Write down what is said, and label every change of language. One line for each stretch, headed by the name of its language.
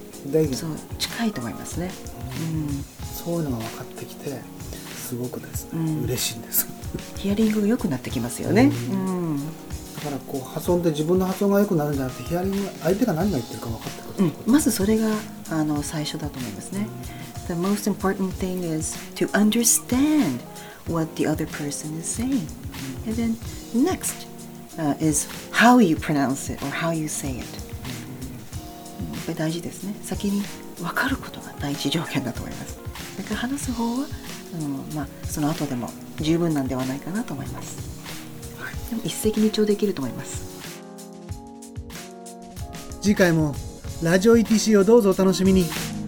Japanese: デイ、そう近いと思いますね。そういうのが分かってきてすごくですね、嬉しいんです。ヒアリング良くなってきますよね。だからこう発音で自分の発音が良くなるんじゃなくて、ヒアリング相手が何が言ってるか分かってくる、まずそれが最初だと思いますね。
English: The most important thing is to understand what the other person is saying. And then next, is how you pronounce it or how you say it.
Japanese: これ大事ですね。先に分かることが第一条件だと思います。だから話す方は、その後でも十分なんではないかなと思います。でも一石二鳥できると思います。次回もラジオ ETC をどうぞお楽しみに。